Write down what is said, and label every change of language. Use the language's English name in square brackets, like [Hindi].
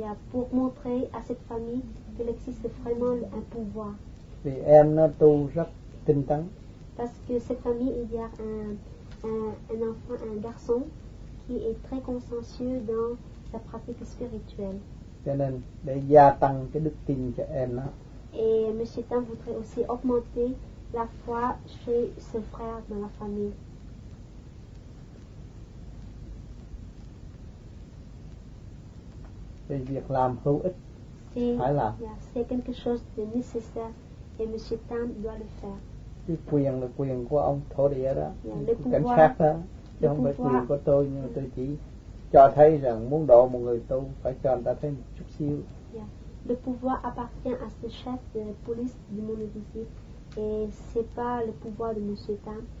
[French] Pour montrer à cette famille qu'il existe vraiment un pouvoir. [Vietnamese] Vì em nó tu rất tinh tấn. [French] Parce que cette famille, il y a un enfant, un garçon qui est très consciencieux dans sa pratique spirituelle. [Vietnamese] Cho nên để gia tăng cái đức tin cho em nó. [French] Et Monsieur Tam voudrait aussi augmenter la foi chez ce frère dans la famille. [Vietnamese] Thì việc làm hữu ích phải làm. [French] C'est quelque chose de nécessaire et Monsieur Tam doit le faire. [Vietnamese] Cái quyền là quyền của ông thổ địa đó, cảnh sát đó, chứ không phải quyền của tôi. Nhưng tôi chỉ cho thấy rằng muốn độ một người tu phải cho người ta thấy một chút xíu. [French] Le pouvoir appartient à ce chef de police du monde visible et c'est pas le pouvoir de Monsieur Tam.